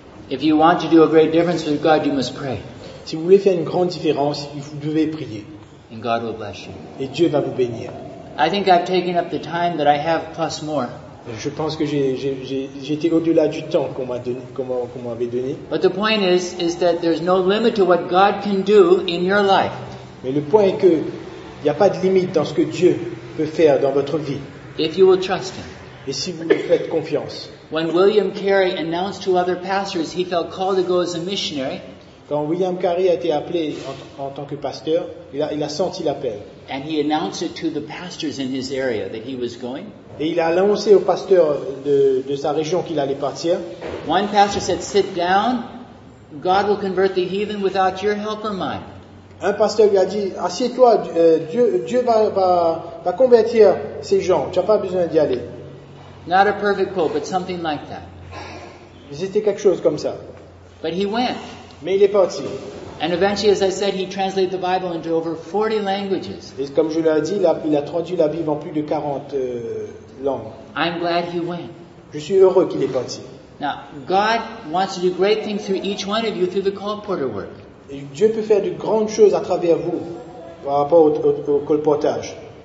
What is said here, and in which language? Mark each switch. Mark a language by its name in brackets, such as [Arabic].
[English] If you want to do a great difference with God, you must pray. [French] Si vous voulez faire une grande différence, vous devez prier. [English] And God will bless you. [French] Et Dieu va vous bénir. [English] I think I've taken up the time that I have plus more. [French] Je pense que j'étais au-delà du temps qu'on m'avait donné. [English] But the point is that there's no limit to what God can do in your life. [French] Mais le point est que il y a pas de limite dans ce que Dieu peut faire dans votre vie. [English] If you will trust him. [French] Et si vous lui faites confiance. [English] When William Carey announced to other pastors he felt called to go as a missionary. [French] Quand William Carey a été appelé en tant que pasteur, il a senti l'appel. [English] And he announced it to the pastors in his area that he was going. [French] Et il a annoncé aux pasteurs de sa région qu'il allait partir. [English] One pastor said, "Sit down. God will convert the heathen without your help or mine." [French] Un pasteur lui a dit, "Assieds-toi. Dieu va convertir ces gens. Tu n'as pas besoin d'y aller." [English] Not a perfect quote, but something like that. [French] C'était quelque chose comme ça. [English] But he went. [French] Mais il est parti. [English] And eventually, as I said, he translated the Bible into over 40 languages. [French] Et comme je l'ai dit, il a traduit la Bible en plus de 40 langues. [English] I'm glad he went. [French] Je suis heureux qu'il ait parti. [English] Now, God wants to do great things through each one of you through the call porter work. [French] Et Dieu peut faire de grandes choses à travers vous par rapport au colportage.